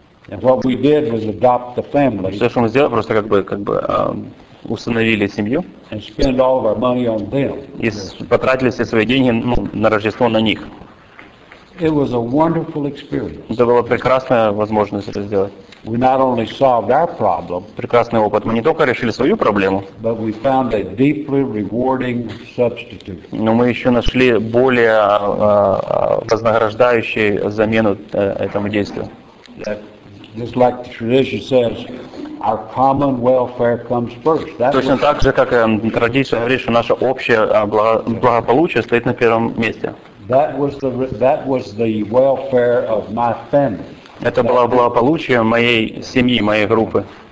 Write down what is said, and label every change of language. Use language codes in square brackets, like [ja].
[en] And what we did was adopt the family. [ru] Все, что мы сделали, просто как бы установили семью. [en] And spend all of our money on them. [ru] И потратили все свои деньги на Рождество на них. [en] It was a wonderful experience. [ru] Это была прекрасная возможность это сделать. [en] We not only solved our problem, [ru] прекрасный опыт. Мы не только решили свою проблему, [en] but we found a deeply rewarding substitute. [ru] Но мы еще нашли более вознаграждающую замену этому действию. [en] Just like the tradition says, our common welfare comes first. [ru] Точно так же, как традиция говорит, что наше общее благополучие стоит на первом месте. [en] That was the welfare of my family. [ru] Это было благополучие моей семьи, моей группы.